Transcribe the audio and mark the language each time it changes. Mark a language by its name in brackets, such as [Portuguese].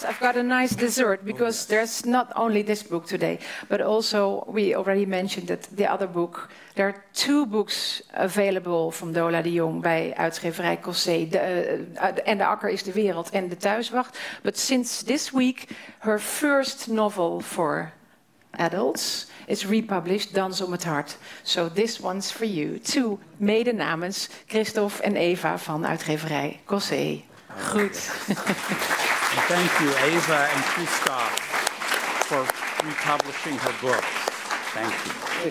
[English] I've got a nice dessert because there's not only this book today, but also we already mentioned that the other book, there are two books available from Dola de Jong by Uitgeverij Cossé, En de Akker is de Wereld and De Thuiswacht. But since this week, her first novel for adults is republished, Dans om het Hart. So this one's for you, too. [Dutch] Mede namens Christophe en Eva van Uitgeverij Cossé. Goed. [English] Yes. Thank you, Eva and Christophe, for republishing her book. Thank you.